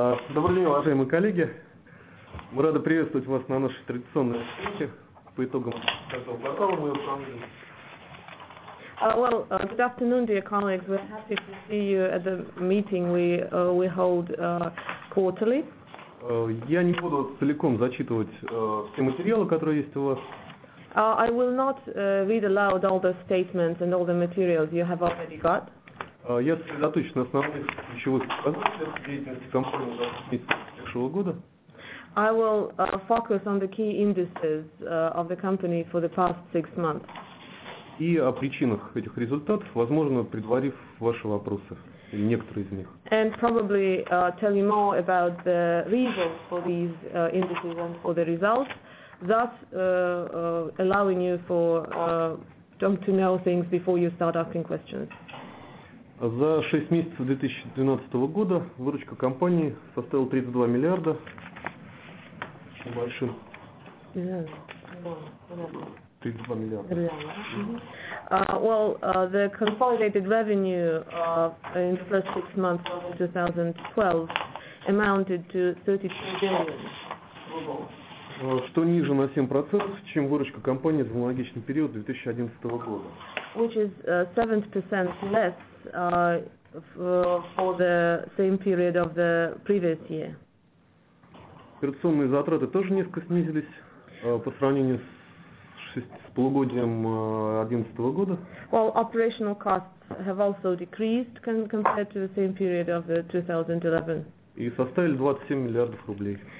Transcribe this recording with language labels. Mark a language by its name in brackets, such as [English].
[Russian] Добрый день, уважаемые коллеги. Мы рады приветствовать вас на нашей традиционной встрече по итогам пятого квартала моего управления. [English] Well, good afternoon, dear colleagues. We're happy to see you at the meeting we hold quarterly. [Russian] Я не буду целиком зачитывать все материалы, которые есть у вас. [English] I will not read aloud all the statements and all the materials you have already got. [Russian] Я сосредоточусь на основных ключевых показателях деятельности компании за 6 месяцев прошлого года. [English] I will focus on the key indices of the company for the past six months. [Russian] О причинах этих результатов, возможно, предварив ваши вопросы или некоторые из них. [English] Probably tell you more about the reasons for these indices and for the results, thus allowing you for to know things before you start asking questions. [Russian] За 6 месяцев 2012 года выручка компании составила 32 миллиарда. Очень большим. 32 миллиарда. [English] Well, the consolidated revenue in the first six months of 2012 amounted to 32 billion. [Russian] Что ниже на 7%, чем выручка компании за аналогичный период 2011 года. [English] Which is 7% less for the same period of the previous year. [Russian] Операционные затраты тоже несколько снизились по сравнению с полугодием 2011 года. [English] Well, operational costs have also decreased compared to the same period of 2011. [Russian] И составили 27 миллиардов рублей.